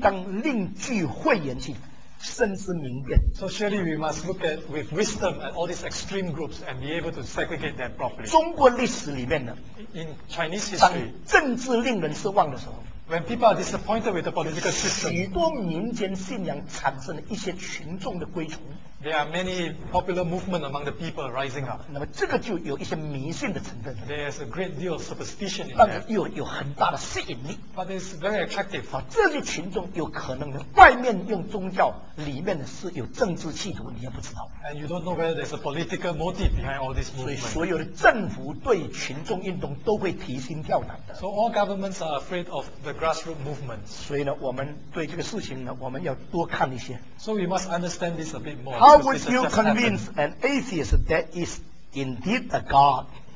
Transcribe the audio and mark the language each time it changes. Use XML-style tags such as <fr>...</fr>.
<zh>所以我们对异端邪说都应当另据慧言去深思明辨。</zh> <en>So surely we must look at with wisdom at all these extreme groups and be able to segregate them properly.</en> <zh>中国历史里面呢，</zh> <en>In Chinese history,</en> <zh>当政治令人失望的时候，</zh> <en>When people are disappointed with the political system,</en> <zh>许多民间信仰产生了一些群众的归从。</zh> <en>There are many popular movements among the people rising up.</en> <zh>那么这个就有一些迷信的成分。</zh> <en>There's a great deal of superstition in</en> <zh>that. 但是有很大的吸引力。</zh> <en>But it's very attractive.</en> <zh>这些群众有可能外面用宗教，里面是有政治企图，你也不知道。</zh> <en>And you don't know whether there's a political motive behind all this movement.</en> <zh>所以所有的政府对群众运动都会提心吊胆的。</zh> <en>So all governments are afraid of the grassroots movement.</en> <zh>所以呢，我们对这个事情呢，我们要多看一些。</zh> <en>So we must understand this a bit more. How would you convince an atheist that is indeed a God?</en>